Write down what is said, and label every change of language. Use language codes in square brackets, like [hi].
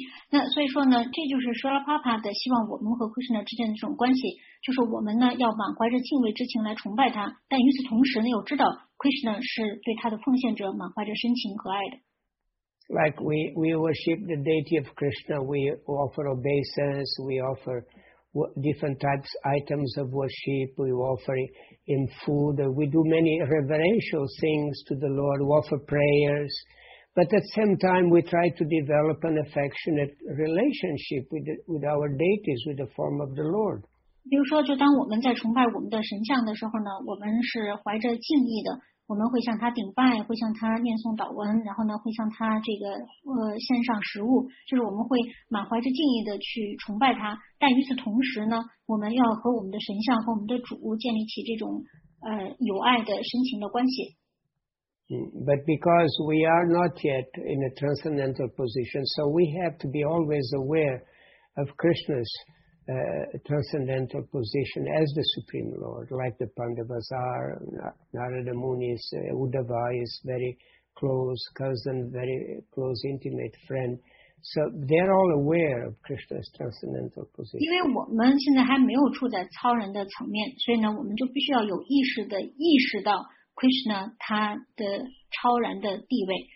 [zh] 那所以说呢，这就是舍拉帕帕的希望我们和 Krishna 之间的这种关系，就是我们呢要满怀着敬畏之情来崇拜他，但与此同时呢，又知道 Krishna 是对他的奉献者满怀着深情和爱的。 [en] Like we worship the deity of Krishna, we offer obeisance, we offer different types items of worship, we offer in food, we do many reverential things to the Lord, we offer prayers, but at the same time we try to develop an affectionate relationship with our deities, with the form of the Lord. [zh] 比如说，就当我们在崇拜我们的神像的时候呢，我们是怀着敬意的。我们会向他顶拜，会向他念诵祷文，然后呢，会向他这个献上食物，就是我们会满怀着敬意的去崇拜他。但与此同时呢，我们要和我们的神像和我们的主建立起这种友爱的深情的关系。 [en] But because we are not yet in a transcendental position, so we have to be always aware of Krishna's transcendental position as the Supreme Lord, like the Pandavas are, Narada Muni is, Uddhava is very close cousin, very close intimate friend. So they're all aware of Krishna's transcendental position. [zh] 因为我们现在还没有处在超人的层面，所以呢，我们就必须要有意识的意识到 Krishna 他的超然的地位。